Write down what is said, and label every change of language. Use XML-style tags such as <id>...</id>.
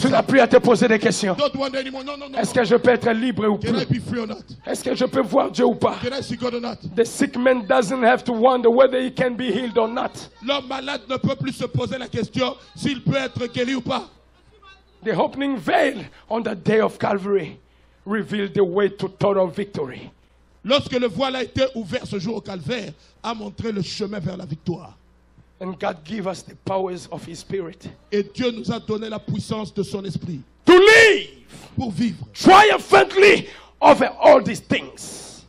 <fr>tu n'as plus à te poser des questions.</fr> <en>Don't wander anymore. No.</en> <fr>Est-ce que je peux être libre ou</fr> <en>can</en> <fr>plus?</fr> <en>I be free or not?</en> <fr>Est-ce que je peux voir Dieu ou pas?</fr> <en>Can I see God or not? The sick man doesn't have to wonder whether he can be healed or not.</en> <fr>L'homme malade ne peut plus se poser la question s'il peut être guéri ou pas.</fr> <en>The opening veil on the day of Calvary revealed the way to total victory.</en> <fr>Lorsque le voile a été ouvert ce jour au calvaire, a montré le chemin vers la victoire.</fr> <en>And God gives us the powers of His Spirit.</en> <fr>Et Dieu nous a donné la puissance de Son Esprit.</fr> <en>To live.</en> <fr>Pour vivre.</fr> <en>Triumphantly over all these things.</en>